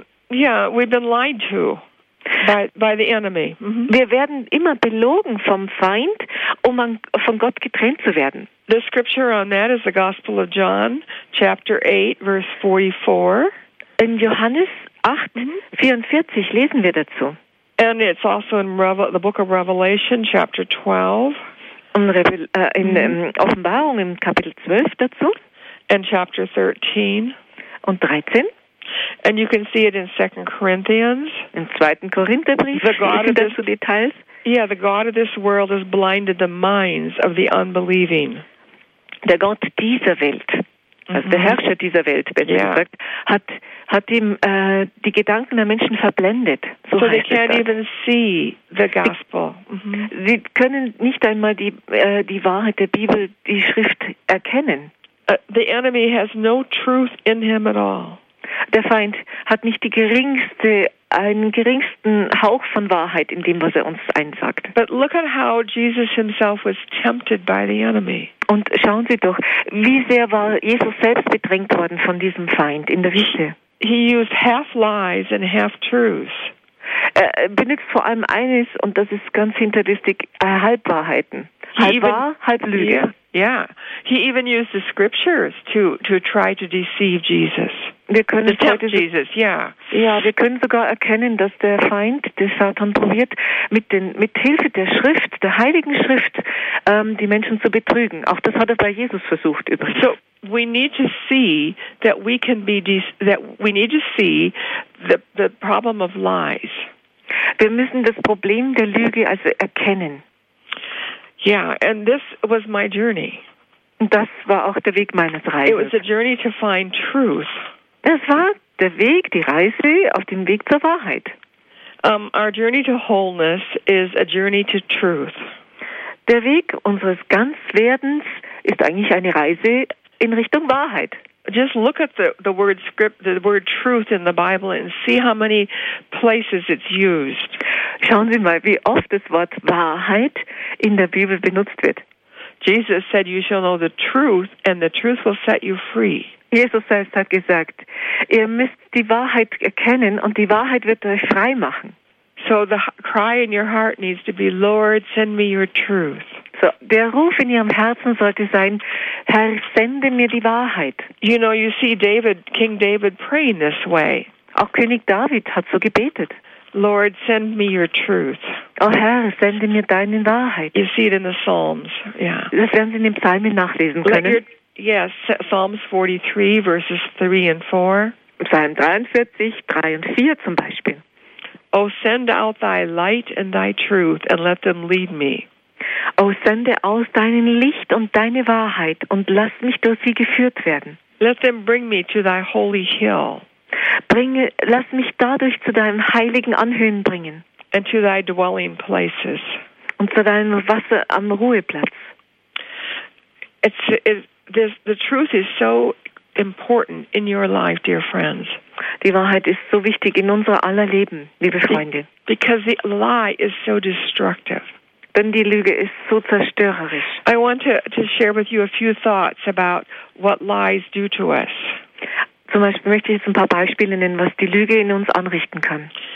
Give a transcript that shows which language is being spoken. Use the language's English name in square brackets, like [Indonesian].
[English] We've been lied to by the enemy. Mm-hmm. [German] Wir werden immer belogen vom Feind, um von Gott getrennt zu werden. [English] The scripture on that is the Gospel of John, chapter 8, verse 44. [German] In Johannes 8, 44 lesen wir dazu. [English] And it's also in the book of Revelation, chapter 12. [German] Und Offenbarung im Kapitel 12 dazu. [English] And chapter 13. [German] Und 13. [English] And you can see it in 2 Corinthians. [German] Im 2. Korintherbrief. [English] The God of this world has blinded the minds of the unbelieving. [German] Der Gott dieser Welt, also der Herrscher dieser Welt, gesagt, hat ihm die Gedanken der Menschen verblendet. [English] So they can't even see the gospel. [German] Sie können nicht einmal die Wahrheit der Bibel, die Schrift erkennen. [English] The enemy has no truth in him at all. [German] Der Feind hat nicht einen geringsten Hauch von Wahrheit in dem, was er uns einsagt. [English] But look at how Jesus himself was tempted by the enemy. [German] Und schauen Sie doch, wie sehr war Jesus selbst bedrängt worden von diesem Feind in der Wüste. [English] He used half lies and half truths. [German] Er benutzt vor allem eines, und das ist ganz hinterlistig, Halbwahrheiten. Halb Lüge. [English] Yeah. He even used the scriptures to try to deceive Jesus. [German] Wir können sogar erkennen, dass der Feind, der Satan, probiert, mit Hilfe der Schrift, der Heiligen Schrift, die Menschen zu betrügen. Auch das hat er bei Jesus versucht übrigens. [English] So, we need to see that we can be that we need to see the problem of lies. [German] Wir müssen das Problem der Lüge also erkennen. [English] Yeah, and this was my journey. [German] Das war auch der Weg meines Reises. [English] It was a journey to find truth. [German] Das war der Weg, die Reise auf dem Weg zur Wahrheit. [English] Our journey to wholeness is a journey to truth. [German] Der Weg unseres Ganzwerdens ist eigentlich eine Reise in Richtung Wahrheit. [English] Just look at the word script, the word truth in the Bible and see how many places it's used. [German] Schauen Sie mal, wie oft das Wort Wahrheit in der Bibel benutzt wird. [English] Jesus said, "You shall know the truth, and the truth will set you free." [German] Jesus selbst hat gesagt, ihr müsst die Wahrheit erkennen und die Wahrheit wird euch frei machen. [English] So the cry in your heart needs to be, Lord, send me your truth. [German] So der Ruf in ihrem Herzen sollte sein, Herr, sende mir die Wahrheit. [English] You know, you see David, King David praying this way. [German] Auch König David hat so gebetet. [English] Lord, send me your truth. [German] Oh Herr, sende mir deine Wahrheit. [English] You see it in the Psalms. Yeah. [German] Das werden Sie in den Psalmen nachlesen können. [English] Yes, Psalms 43, verses 3 and 4. [German] Psalm 43, 3 und 4 zum Beispiel. [English] O send out thy light and thy truth, and let them lead me. [German] O sende aus deinem Licht und deine Wahrheit, und lass mich durch sie geführt werden. [English] Let them bring me to thy holy hill. [German] Lass mich dadurch zu deinem heiligen Anhöhen bringen. [English] And to thy dwelling places. [German] Und zu deinem Wasser am Ruheplatz. [English] The truth is so important in your life, dear friends. [German] Die Wahrheit ist so wichtig in unser aller Leben, liebe Freunde. [English] Because the lie is so destructive. [German] Denn die Lüge ist so zerstörerisch. [English] I want to share with you a few thoughts about what lies do to us. [German] Zum Beispiel möchte ich jetzt ein paar Beispiele nennen, was die Lüge in uns anrichten kann.